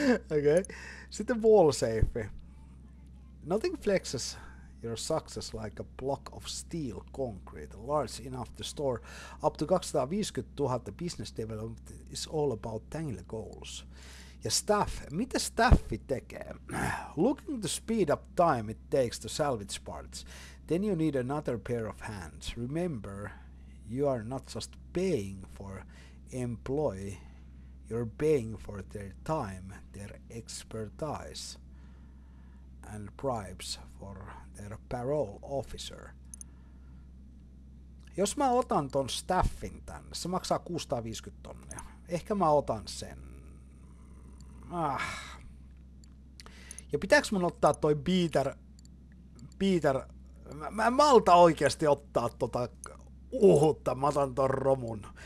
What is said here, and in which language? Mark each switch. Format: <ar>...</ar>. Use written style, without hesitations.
<en>Okay. Sitten wall safe. Nothing flexes your success like a block of steel concrete, large enough to store up to 250,000. Business development is all about tangible goals.</en> <fi>Ja staff, mitä staffi tekee?</fi> <en>Looking to speed up time it takes to salvage parts, then you need another pair of hands. Remember, you are not just paying for employee, you're paying for their time, their expertise, and bribes for their parole officer.</en> <fi>Jos mä otan ton staffin tän, se maksaa 650 tonnia. Ehkä mä otan sen. Ah. Ja pitääks mun ottaa toi Peter, mä en malta oikeesti ottaa tota uhutta, mä otan ton romun.</fi>